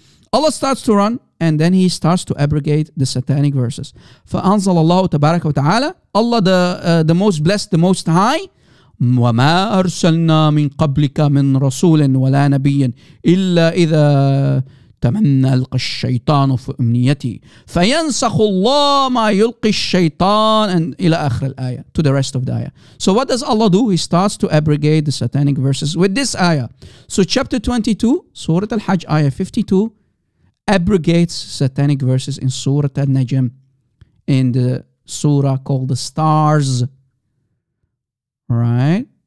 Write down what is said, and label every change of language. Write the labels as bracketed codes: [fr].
[en] Allah starts to run, and then he starts to abrogate the satanic verses. [ar] فَأَنْزَلَ اللَّهُ تَبَارَكَ وَتَعَالَى. [en] Allah, the most blessed, the most high. [ar] وَمَا أَرْسَلْنَا مِنْ قَبْلِكَ مِنْ رَسُولٍ وَلَا نَبِيٍّ إِلَّا إِذَا تَمَنَّ أَلْقَ الشَّيْطَانُ فِي أُمْنِيَتِي فَيَنْسَخُ اللَّهُ مَا يُلْقِ الشَّيْطَانُ, and إلى آخر الآية, [en] to the rest of the ayah. So what does Allah do? He starts to abrogate the satanic verses with this ayah. So chapter 22, Surah Al-Hajj, ayah 52, abrogates satanic verses in Surah Al-Najm, in the surah called the stars. Right?